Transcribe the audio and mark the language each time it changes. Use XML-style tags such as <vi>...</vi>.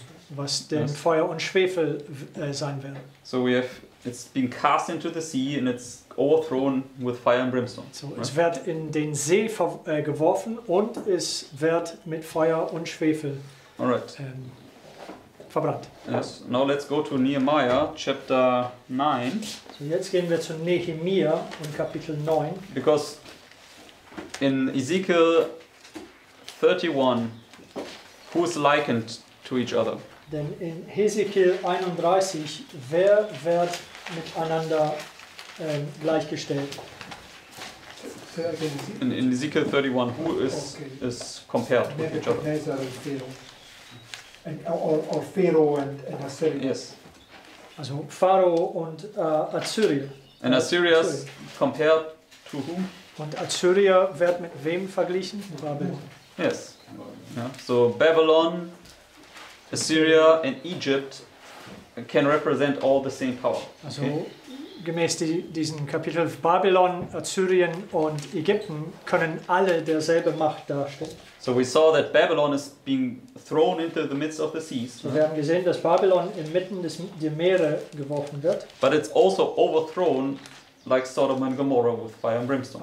<de>was dem, yes, Feuer und Schwefel sein wird.</de> <en>So we have, it's been cast into the sea and it's overthrown with fire and brimstone.</en> <de>So, right? Es wird in den See geworfen und es wird mit Feuer und Schwefel,</de> <en>all right,</en> <de>verbrannt.</de> <en>Yes. Now let's go to Nehemiah chapter 9.</en> <de>So jetzt gehen wir zu Nehemia und Kapitel 9.</de> <en>Because in Ezekiel 31, who is likened to each other?</en> <de>Denn in Ezekiel 31, wer wird miteinander gleichgestellt?</de> <en>In Ezekiel 31, who is compared with each other? And, or Pharaoh and Assyria. Yes.</en> <de>Also Pharaoh und Assyria.</de> <en>And Assyria is compared to whom?</en> <de>Und Assyria wird mit wem verglichen? Babylon.</de> <en>Yes. Yeah. So Babylon, Assyria and Egypt can represent all the same power.</en> <de>Also okay, gemäß diesen Kapitel Babylon, Assyrien und Ägypten können alle derselbe Macht darstellen.</de> <en>So we saw that Babylon is being thrown into the midst of the seas.</en> <de>Wir haben gesehen, dass Babylon inmitten des der Meere geworfen wird.</de> <en>But it's also overthrown like Sodom and Gomorrah with fire and brimstone.</en>